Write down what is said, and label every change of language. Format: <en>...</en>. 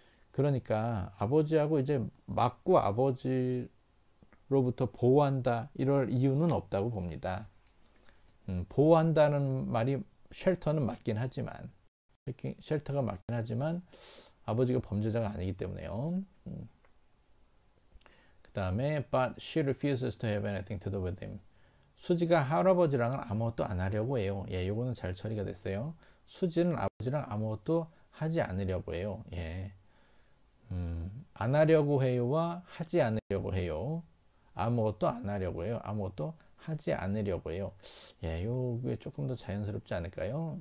<ko>그러니까 아버지하고 이제 맞고 아버지로부터 보호한다 이럴 이유는 없다고 봅니다. 보호한다는 말이 쉘터는 맞긴 하지만 쉘터가 맞긴 하지만 아버지가 범죄자가 아니기 때문에요. 그다음에</ko> <en>but she refuses to have anything to do with him.</en> <ko>수지가 할아버지랑은 아무것도 안 하려고 해요. 예, 요거는 잘 처리가 됐어요. 수지는 아버지랑 아무것도 하지 않으려고 해요. 예. 안 하려고 해요와 하지 않으려고 해요. 아무것도 안 하려고 해요. 아무것도 하지 않으려고 해요. 예, 요게 조금 더 자연스럽지 않을까요?</ko>